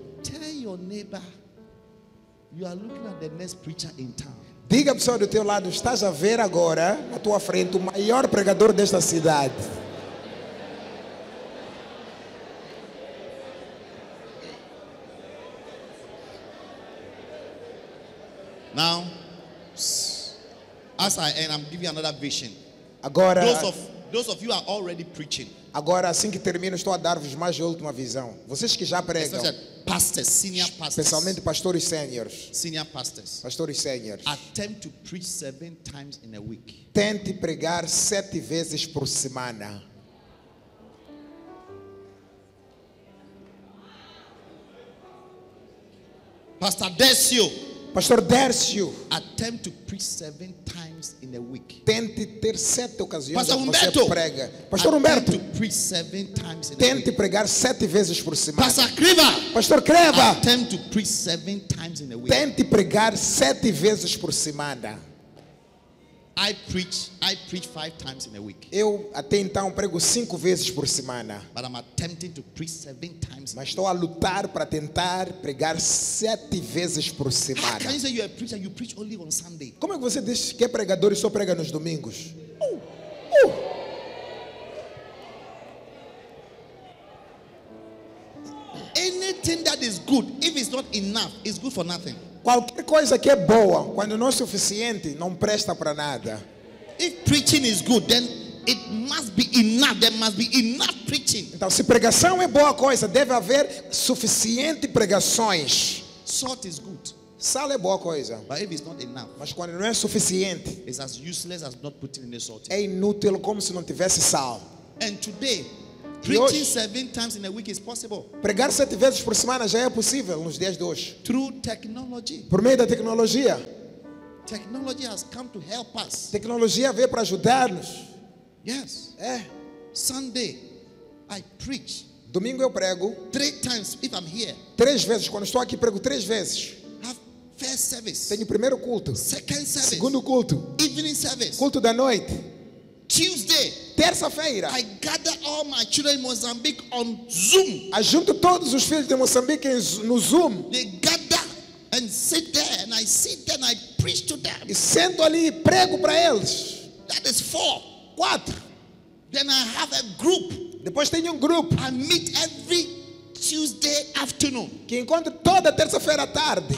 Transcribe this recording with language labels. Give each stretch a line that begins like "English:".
English: Tell your neighbor, you are looking at the next preacher in town.
Portuguese: Diga pessoal do teu lado, estás a ver agora na tua frente o maior pregador desta cidade.
English: Now, as I end, I'm giving another vision.
Portuguese: Agora,
English: those of you are already preaching.
Portuguese: Agora, assim que termino, estou a dar-vos mais de última visão. Vocês que já pregam,
English: pastors, senior pastors,
Portuguese: especialmente pastores seniors,
English: senior pastors,
Portuguese: pastores seniors,
English: attempt to preach 7 times in a week.
Portuguese: Tente pregar 7 vezes por semana.
English: Pastor Décio.
Portuguese: Pastor Dércio,
English: attempt to preach 7 times in a week.
Portuguese: Tente ter 7 ocasiões
English: Pastor
Portuguese: que Humberto, você prega. Pastor
English: attempt to preach 7 times in
Portuguese: tente
English: a week.
Portuguese: Pregar 7 vezes por semana.
English: Pastor Creva,
Portuguese: Pastor Creva,
English: attempt to preach 7 times in a week.
Portuguese: Tente pregar 7 vezes por semana.
English: I preach 5 times in a week.
Portuguese: Eu até então prego 5 vezes por semana.
English: But I'm attempting to preach 7 times.
Portuguese: Mas estou a lutar para tentar pregar 7 vezes por semana.
English: How can you say you're a preacher, you preach only on Sunday?
Portuguese: Como é que você diz que é pregador e só prega nos domingos?
English: Anything that is good, if it's not enough, is good for nothing.
Portuguese: Qualquer coisa que é boa, quando não é suficiente, não presta para nada.
English: If preaching is good, then it must be enough. There must be enough preaching.
Portuguese: Então, se pregação é boa coisa, deve haver suficiente pregações.
English: Salt is good.
Portuguese: Sal é boa coisa.
English: But if it's not enough,
Portuguese: mas quando não é suficiente,
English: it's as useless as not putting any salt.
Portuguese: É inútil como se não tivesse sal.
English: And today, Preaching seven times in a week is possible.
Portuguese: Pregar sete vezes por semana já é possível nos dias de hoje.
English: Through technology.
Portuguese: Por meio da tecnologia.
English: Technology has come to help us.
Portuguese: Tecnologia veio para ajudar-nos.
English: Yes.
Portuguese: É.
English: Sunday, I preach.
Portuguese: Domingo eu prego.
English: Three times if I'm here.
Portuguese: Três vezes quando estou aqui prego três vezes.
English: First service.
Portuguese: Tenho primeiro culto.
English: Second service.
Portuguese: Segundo culto.
English: Evening service.
Portuguese: Culto da noite.
English: Tuesday.
Portuguese: Terça-feira.
English: I gather all my children in Mozambique on Zoom.
Portuguese: Ajunto todos os filhos de Moçambique no Zoom.
English: They gather and sit there and I sit there and I preach to them.
Portuguese: E sento ali e prego para eles.
English: That is four.
Portuguese: Quatro.
English: Then I have a group.
Portuguese: Depois tenho grupo.
English: I meet every Tuesday afternoon.
Portuguese: Que encontro toda terça-feira à tarde.